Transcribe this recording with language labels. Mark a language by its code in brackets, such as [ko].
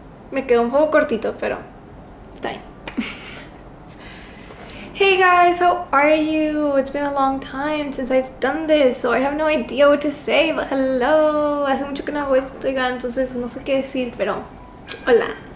[es] Me quedó un poco cortito, pero está bien. [en] Hey, guys, how are you? It's been a long time since I've done this, so I have no idea what to say, but hello. [es] Hace mucho que no hago esto, oigan, entonces no sé qué decir, pero hola.